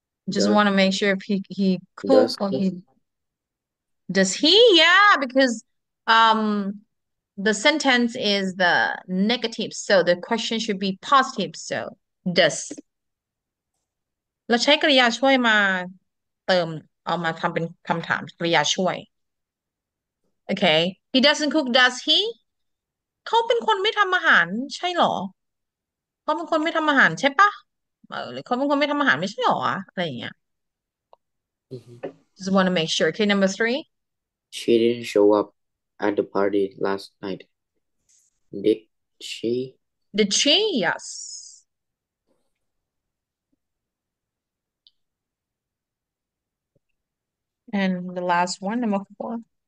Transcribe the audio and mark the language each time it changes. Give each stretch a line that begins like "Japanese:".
English: Just want to make sure if he cook Does or he? he does he? Yeah, because the sentence is the negative, so the question should be positive. So does.
Thai: เราใช้กริยาช่วยมาเติมเอามาทำเป็นคำถามกริยาช่วยโอเค
English: he doesn't cook does he
Thai: เขาเป็นคนไม่ทำอาหารใช่หรอ ขาเป็นคนไม่ทำอาหารใช่ปะเออหรือเขาเป็นคนไม่ทำอาหารไม่ใช่หรออะไรอย่างเงี้ย
English: Just want to make sure. Okay, number three. She didn't show up at the party last night. Did she? Did she? Yes. And the last one, number four.